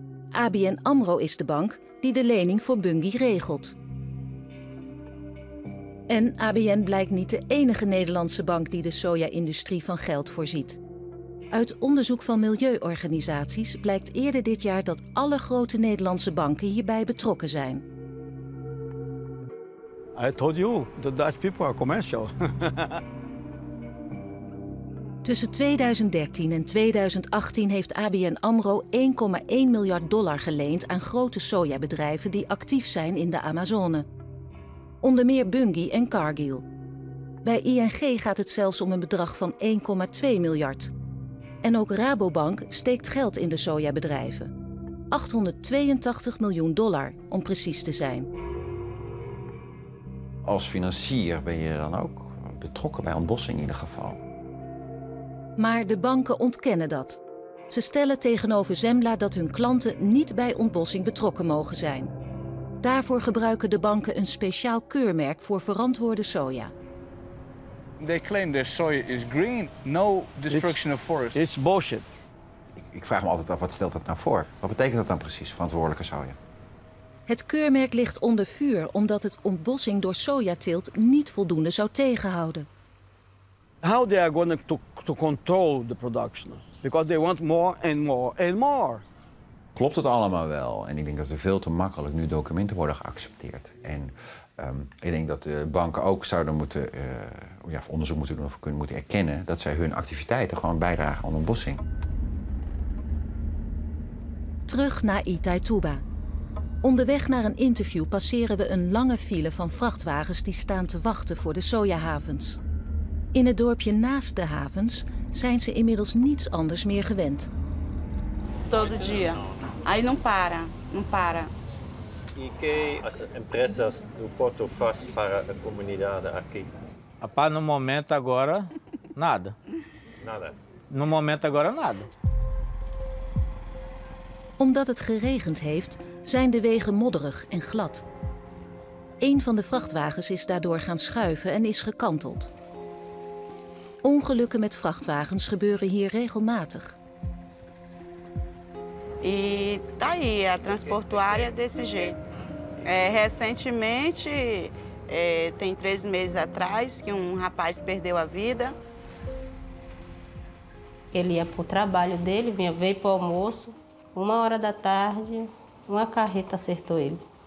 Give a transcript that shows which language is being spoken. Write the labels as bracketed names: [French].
[Dutch] ABN AMRO is de bank die de lening voor Bungi regelt. En ABN blijkt niet de enige Nederlandse bank die de soja-industrie van geld voorziet. Uit onderzoek van milieuorganisaties blijkt eerder dit jaar dat alle grote Nederlandse banken hierbij betrokken zijn. [English] I told you, the Dutch people are commercial. [Dutch] Tussen 2013 en 2018 heeft ABN AMRO 1,1 miljard dollar geleend aan grote sojabedrijven die actief zijn in de Amazone. Onder meer Bunge en Cargill. Bij ING gaat het zelfs om een bedrag van 1,2 miljard. En ook Rabobank steekt geld in de sojabedrijven. 882 miljoen dollar, om precies te zijn. Als financier ben je dan ook betrokken bij ontbossing in ieder geval. Maar de banken ontkennen dat. Ze stellen tegenover Zembla dat hun klanten niet bij ontbossing betrokken mogen zijn. Daarvoor gebruiken de banken een speciaal keurmerk voor verantwoorde soja. [English] They claim their soya is green. No destruction of forests. It's bullshit. [Dutch] Ik vraag me altijd af, wat stelt dat nou voor? Wat betekent dat dan precies, verantwoordelijke soja? Het keurmerk ligt onder vuur omdat het ontbossing door sojateelt niet voldoende zou tegenhouden. [English] How they are going to control the production? Because they want more and more and more. [Dutch] Klopt het allemaal wel? En ik denk dat er veel te makkelijk nu documenten worden geaccepteerd. En ik denk dat de banken ook zouden moeten onderzoek moeten doen of moeten erkennen dat zij hun activiteiten gewoon bijdragen aan ontbossing. Terug naar Itaituba. Onderweg naar een interview passeren we een lange file van vrachtwagens die staan te wachten voor de sojahavens. In het dorpje naast de havens zijn ze inmiddels niets anders meer gewend. [Portuguese] Todo dia. Aí não para, não para. E que as empresas do porto faz para a comunidade aqui? Apá, no momento agora, nada. Nada. No momento agora, nada. [Dutch] Omdat het geregend heeft, zijn de wegen modderig en glad. Een van de vrachtwagens is daardoor gaan schuiven en is gekanteld. Ongelukken met vrachtwagens gebeuren hier regelmatig. [Portuguese] E tá aí a transportuária desse jeito. Recentemente, tem 3 meses atrás, que rapaz perdeu a vida. Ele ia pro trabalho dele, veio pro almoço. 1 hora da tarde, uma carreta acertou ele.